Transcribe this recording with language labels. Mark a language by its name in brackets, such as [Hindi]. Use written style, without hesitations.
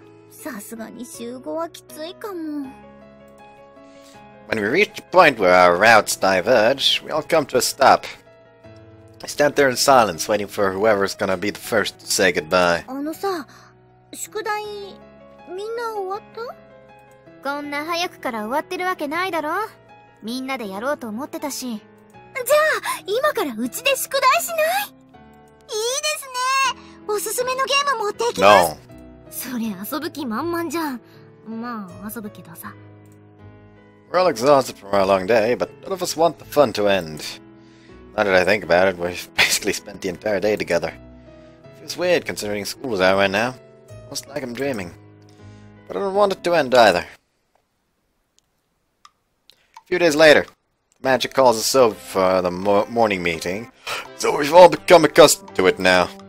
[Japanese] さすがに週5はきついかも。 [English] When we reach the point where our routes diverge, we all come to a stop. I stand there in silence, waiting for whoever's gonna be the first to say goodbye. [Japanese] あのさ、宿題、みんな終わった? こんな早くから終わってるわけないだろ。みんなでやろうと思ってたし。じゃあ、今からうちで宿題しない? いいですね!おすすめのゲーム持っていきます。 [English] No. [Japanese] それ遊ぶ気満々じゃん。まあ、遊ぶけどさ。 [English] We're all exhausted from our long day, but none of us want the fun to end. Now that I think about it, we've basically spent the entire day together. It feels weird considering school is out right now. Almost like I'm dreaming. But I don't want it to end either. A few days later, the magic calls us over for the morning meeting, so we've all become accustomed to it now.